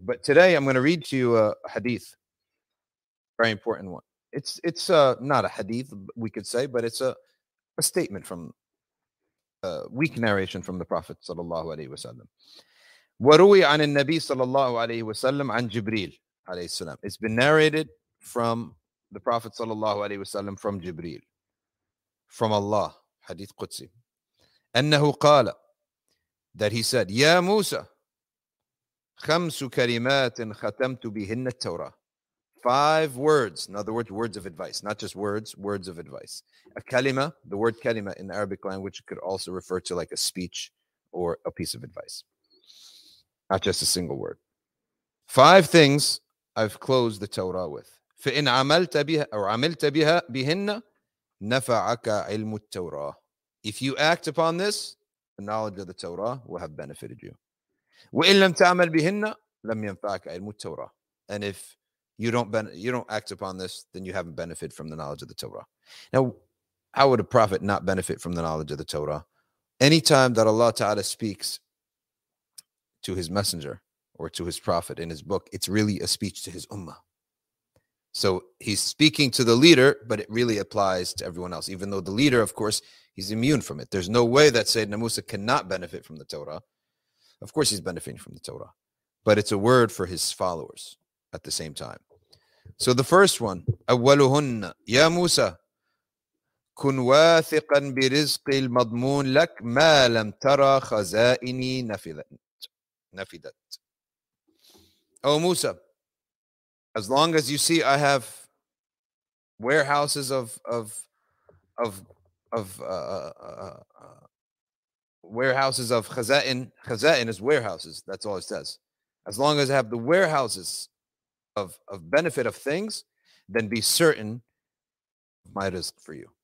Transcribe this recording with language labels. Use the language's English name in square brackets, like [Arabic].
[English] But today I'm going to read to you a hadith, very important one. It's not a hadith, we could say, but it's a statement from a weak narration from the Prophet sallallahu alaihi wasallam. [Arabic] وروي عن النبي صلى الله عليه وسلم عن جبريل عليه السلام. [English] It's been narrated from the Prophet sallallahu alaihi wasallam from Jibril, from Allah. [Arabic] Hadith Qudsi. أنه قال, [English] that he said, [Arabic] يا موسى خمس كلمات ختمت بهن التوراة. [English] Five words, in other words of advice, not just words of advice. A kalima, the word kalima in the Arabic language could also refer to like a speech or a piece of advice, not just a single word. Five things I've closed the Torah with. [Arabic] فإن عملت بها أو عملت بها بهن نفعك علم التوراة. [English] If you act upon this, the knowledge of the Torah will have benefited you. [Arabic] وإن لم تعمل بهن لم ينفعك علم التوراة. [English] And if you don't act upon this, then you haven't benefited from the knowledge of the Torah. Now, how would a prophet not benefit from the knowledge of the Torah? Anytime that Allah Ta'ala speaks to his messenger or to his prophet in his book, it's really a speech to his ummah. So he's speaking to the leader, but it really applies to everyone else, even though the leader, of course, he's immune from it. There's no way that Sayyidina Musa cannot benefit from the Torah. Of course, he's benefiting from the Torah, but it's a word for his followers at the same time. So the first one, [Arabic] أولهن يا موسى كن واثقا برزق المضمون لك ما لم ترى خزائني نفدت. [English] Oh Musa, as long as you see I have warehouses warehouses of khazain is warehouses, that's all it says. As long as I have the warehouses of benefit of things, then be certain of my rizq for you.